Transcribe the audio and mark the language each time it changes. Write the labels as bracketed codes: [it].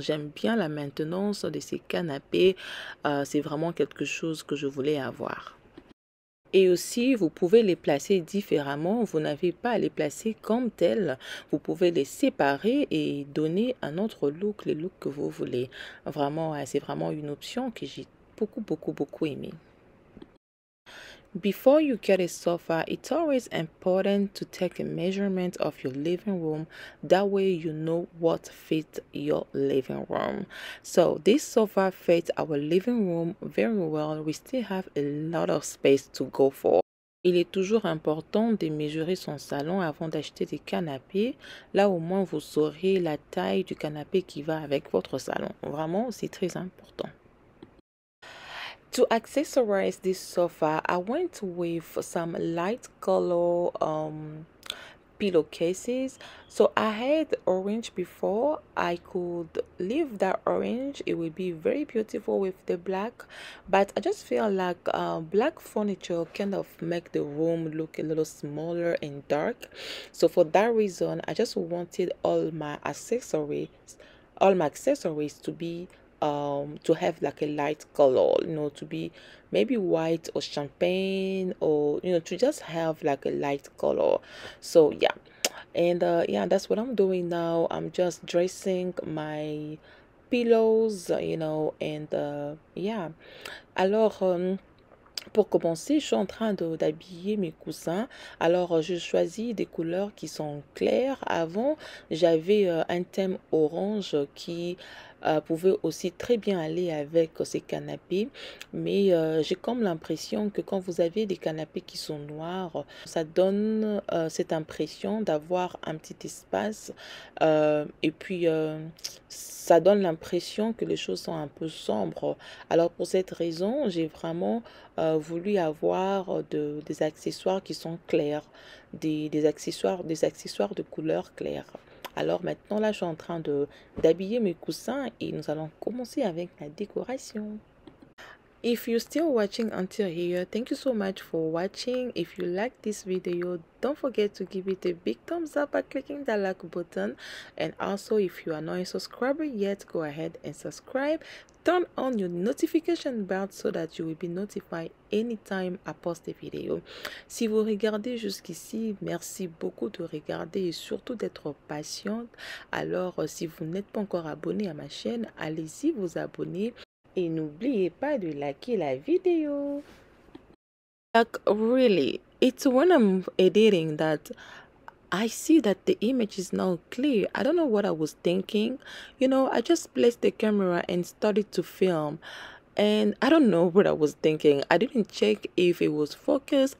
[fr] J'aime bien la maintenance de ces canapés. C'est vraiment quelque chose que je voulais avoir. Et aussi, vous pouvez les placer différemment. Vous n'avez pas à les placer comme tel. Vous pouvez les séparer et donner un autre look, le look que vous voulez. Vraiment, c'est vraiment une option que j'ai beaucoup aimée. [en] Before you get a sofa, it's always important to take a measurement of your living room. That way you know what fits your living room. So this sofa fits our living room very well. We still have a lot of space to go for. [fr] Il est toujours important de mesurer son salon avant d'acheter des canapés. Là au moins vous saurez la taille du canapé qui va avec votre salon. Vraiment, c'est très important. [en] To accessorize this sofa, I went with some light color pillowcases. So I had orange before. I could leave that orange. It would be very beautiful with the black, but I just feel like black furniture kind of make the room look a little smaller and dark. So for that reason, I just wanted all my accessories to be to have like a light color, you know, to be maybe white or champagne, or you know, to just have like a light color. So yeah, and yeah, that's what I'm doing now. I'm just dressing my pillows, you know, and yeah. [fr] Alors pour commencer, je suis en train d'habiller mes coussins. Alors je choisis des couleurs qui sont claires. Avant j'avais un thème orange qui pouvait aussi très bien aller avec ces canapés, mais j'ai comme l'impression que quand vous avez des canapés qui sont noirs, ça donne cette impression d'avoir un petit espace, et puis ça donne l'impression que les choses sont un peu sombres. Alors pour cette raison, j'ai vraiment voulu avoir des accessoires qui sont clairs, des accessoires de couleur claire. Alors maintenant là, je suis en train d'habiller mes coussins et nous allons commencer avec la décoration. [en] If you're still watching until here, thank you so much for watching. If you like this video, don't forget to give it a big thumbs up by clicking that like button. And also, if you are not a subscriber yet, go ahead and subscribe. Turn on your notification bell so that you will be notified anytime I post a video. [fr] Si vous regardez jusqu'ici, merci beaucoup de regarder et surtout d'être patiente. Alors, si vous n'êtes pas encore abonné à ma chaîne, allez-y vous abonner. Et n'oubliez pas de liker la vidéo. [en] Like, really, it's when I'm editing that I see that the image is not clear. I don't know what I was thinking. You know, I just placed the camera and started to film. And I don't know what I was thinking. I didn't check if it was focused.